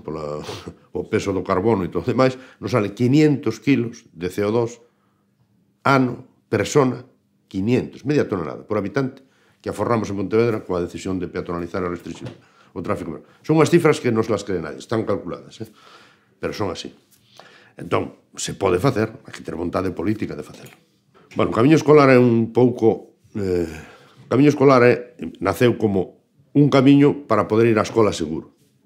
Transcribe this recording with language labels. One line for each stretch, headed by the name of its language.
Spanish: Por o peso do carbono y todo lo demás, nos sale 500 kilos de CO2 año, persona, 500, media tonelada por habitante, que ahorramos en Pontevedra con la decisión de peatonalizar o restringir.
Galician: O tráfico.
Spanish: Son unas cifras que no se las cree nadie, están calculadas, ¿eh? Pero son así.
Galician: Entón, se pode facer, hai que ter vontade política de facelo. Bueno, o camiño escolar é un pouco... O camiño escolar naceu como un camiño para poder ir á escola seguro.